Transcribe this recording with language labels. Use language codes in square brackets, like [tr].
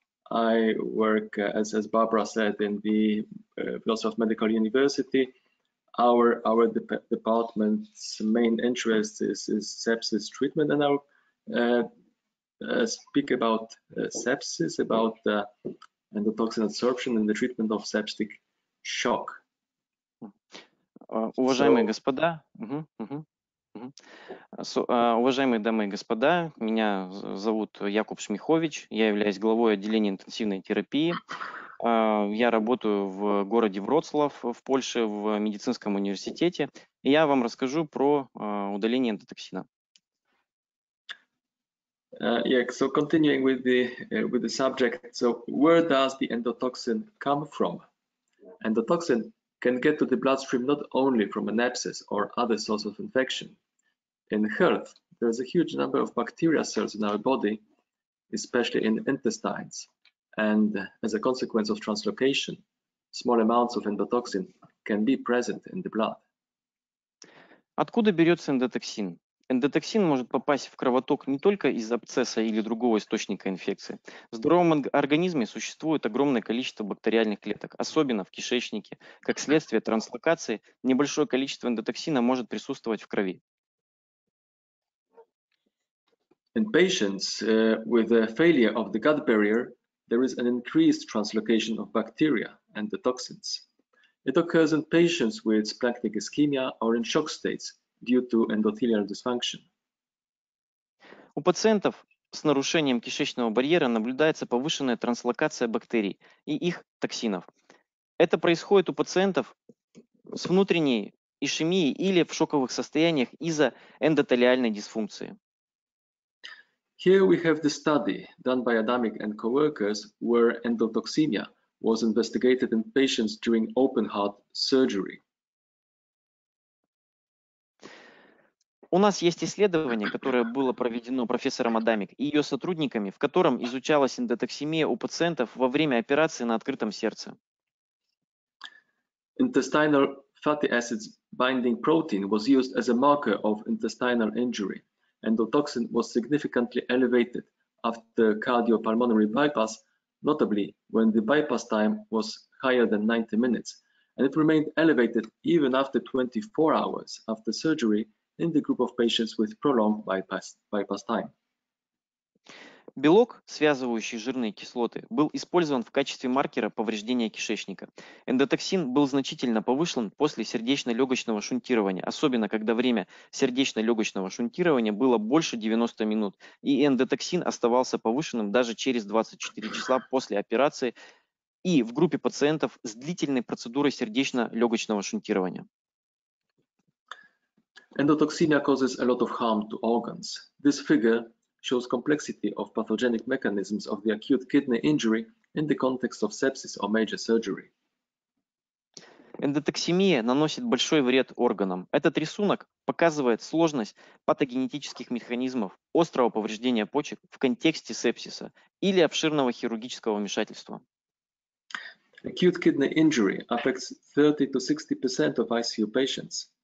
[en] I work, as Barbara said, in the Wrocław Medical University. Our department's main interest is sepsis treatment, and I'll speak about sepsis, about endotoxin absorption and the treatment of septic shock. [ru] Уважаемые господа, уважаемые дамы и господа, меня зовут Якуб Шмихович, я являюсь главой отделения интенсивной терапии. Я работаю в городе Вроцлав в Польше в медицинском университете. И я вам расскажу про удаление эндотоксина. [en] Yeah, so continuing with the subject, so where does the endotoxin come from? Endotoxin can get to the bloodstream not only from an abscess or other source of infection. In health, there is a huge number of bacteria cells in our body, especially in intestines. And as a consequence of translocation, small amounts of endotoxin can be present in the blood. [ru] Откуда берется эндотоксин? Эндотоксин может попасть в кровоток не только из абсцесса или другого источника инфекции. В здоровом организме существует огромное количество бактериальных клеток, особенно в кишечнике. Как следствие транслокации, небольшое количество эндотоксина может присутствовать в крови. [en] In patients with a failure of the gut barrier, there is an increased translocation of bacteria and the toxins. It occurs in patients with splenic ischemia or in shock states due to endothelial dysfunction. [ru] У пациентов с нарушением кишечного барьера наблюдается повышенная транслокация бактерий и их токсинов. Это происходит у пациентов с внутренней ишемией или в шоковых состояниях из-за эндотелиальной дисфункции. [en] Here we have the study done by Adamic and co-workers where endotoxemia was investigated in patients during open heart surgery. [ru] У нас есть исследование, которое было проведено профессором Адамик и ее сотрудниками, в котором изучалась эндотоксемия у пациентов во время операции на открытом сердце. [en] Intestinal fatty acids binding protein was used as a marker of intestinal injury. Endotoxin was significantly elevated after cardiopulmonary bypass, notably when the bypass time was higher than 90 minutes, and it remained elevated even after 24 hours after surgery in the group of patients with prolonged bypass time. [ru] Белок, связывающий жирные кислоты, был использован в качестве маркера повреждения кишечника. Эндотоксин был значительно повышен после сердечно-легочного шунтирования, особенно когда время сердечно-легочного шунтирования было больше 90 минут, и эндотоксин оставался повышенным даже через 24 часа после операции и в группе пациентов с длительной процедурой сердечно-легочного шунтирования. [en] Endotoxemia causes a lot of harm to organs. This figure shows complexity of pathogenic mechanisms of the acute kidney injury in the context of sepsis or major surgery. [ru] Эндотоксемия наносит большой вред органам. Этот рисунок показывает сложность патогенетических механизмов острого повреждения почек в контексте сепсиса или обширного хирургического вмешательства. [en] Acute kidney injury affects 30-60% of ICU patients.